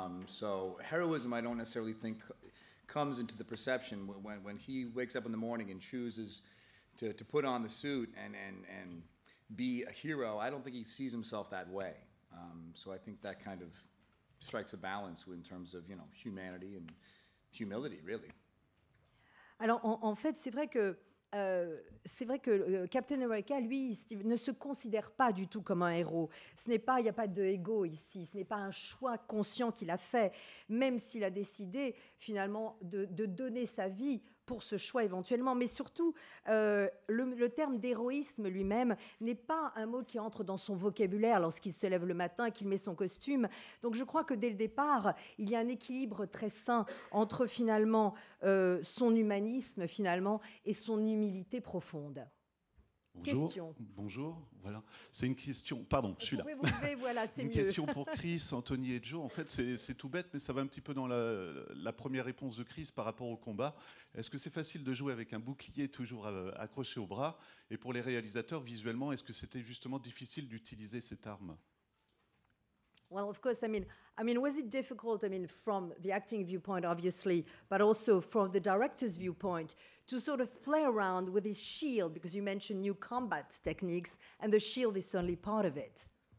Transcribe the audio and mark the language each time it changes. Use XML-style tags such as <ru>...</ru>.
<en>So heroism, I don't necessarily think comes into the perception when he wakes up in the morning and chooses to put on the suit and be a hero. I don't think he sees himself that way. So I think that kind of strikes a balance in terms of, you know, humanity and humility, really.</en> <fr>Alors, en fait, c'est vrai que Captain America, lui, Steve, ne se considère pas du tout comme un héros. Ce n'est pas, il n'y a pas de ego ici. Ce n'est pas un choix conscient qu'il a fait, même s'il a décidé finalement de donner sa vie pour ce choix éventuellement. Mais surtout, le terme d'héroïsme lui-même n'est pas un mot qui entre dans son vocabulaire lorsqu'il se lève le matin, qu'il met son costume. Donc je crois que dès le départ, il y a un équilibre très sain entre finalement son humanisme finalement et son humilité profonde. Bonjour. Bonjour, voilà. C'est une question, pardon, je suis là. Vous pouvez vous lever, voilà, c'est une mieux. Une question pour Chris, Anthony et Joe. En fait, c'est tout bête, mais ça va un petit peu dans la première réponse de Chris par rapport au combat. Est-ce que c'est facile de jouer avec un bouclier toujours accroché au bras? Et pour les réalisateurs, visuellement, est-ce que c'était justement difficile d'utiliser cette arme?</fr> <en>Well, of course, I mean, was it difficult, I mean, from the acting viewpoint, obviously, but also from the director's viewpoint, to sort of play around with his shield, because you mentioned new combat techniques, and the shield is certainly part of it.</en>